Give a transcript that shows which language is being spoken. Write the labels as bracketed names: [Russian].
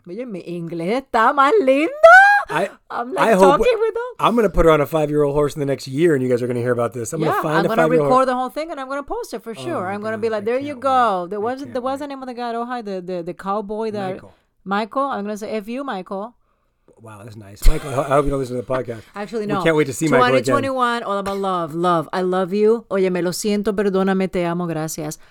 [Spanish] Oye, mi inglés está más lindo. [English] I'm going to put her on a 5-year-old horse in the next year, and you guys are going to hear about this. I'm going to record the whole thing, and I'm going to post it for sure. I'm going to be like, there you go. What's the name of the guy at Ojai? The cowboy that. Michael. I'm going to say, F you, Michael. Wow, that's nice. Michael, I hope you don't listen to the podcast. Actually, no. We can't wait to see Michael again. 2021, all about love. Love. I love you. [Spanish] Oye, me lo siento, perdóname, te amo, gracias.